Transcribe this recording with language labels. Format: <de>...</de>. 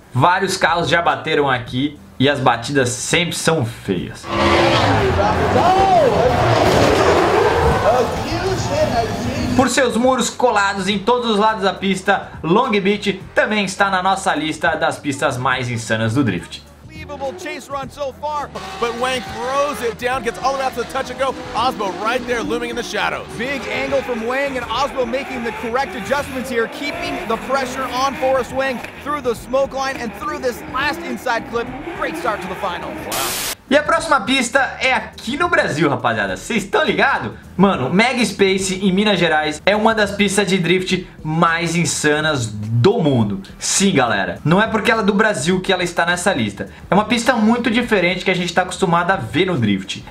<pt>Vários carros já bateram aqui e as batidas sempre são feias. Oh, por seus muros colados em todos os lados da pista, Long Beach também está na nossa lista das pistas mais insanas do drift.</pt> <en>Chase run so far, but Wank throws it down, gets all the way up to the touch and go. Osmo right there looming in the shadows. Big angle from Wang and Osmo making the correct adjustments here, keeping the pressure on Forrest Wang through the smoke line and through this last inside clip. Great start to the final. Wow.</en> <pt>E a próxima pista é aqui no Brasil, rapaziada. Vocês estão ligados? Mano, Mega Space em Minas Gerais é uma das pistas de drift mais insanas do mundo. Sim, galera. Não é porque ela é do Brasil que ela está nessa lista. É uma pista muito diferente que a gente está acostumado a ver no drift.</pt>